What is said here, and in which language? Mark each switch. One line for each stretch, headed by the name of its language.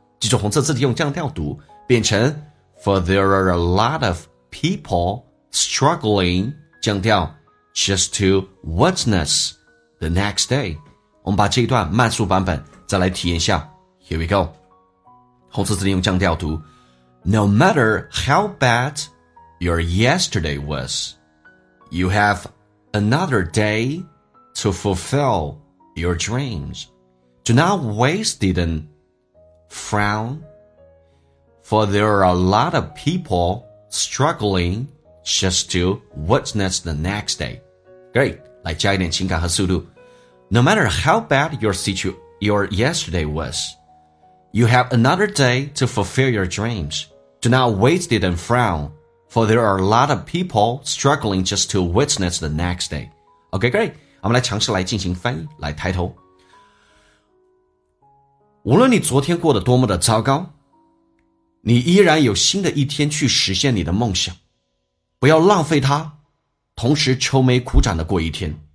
Chinese: 记住红色字体用降调读，变成
English: For there are a lot of people struggling，
Chinese: 降调
English: just to witness the next day。
Chinese: 我们把这一段慢速版本再来体验一下。
English: Here we go。
Chinese: 红色字体用降调读
English: No matter how bad your yesterday was, you have another day to fulfill your dreams. Do not waste it and frown, for there are a lot of people struggling just to witness the next day. Great,
Chinese: 来加一点情感和速度
English: No matter how bad your yesterday was,You have another day to fulfill your dreams. Do not waste it and frown, for there are a lot of people struggling just to witness the next day. Okay, great.
Chinese: 我们来尝试来进行翻译，来抬头。无论你昨天过得多么的糟糕，你依然有新的一天去实现你的梦想。不要浪费它，同时愁眉苦展的过一天。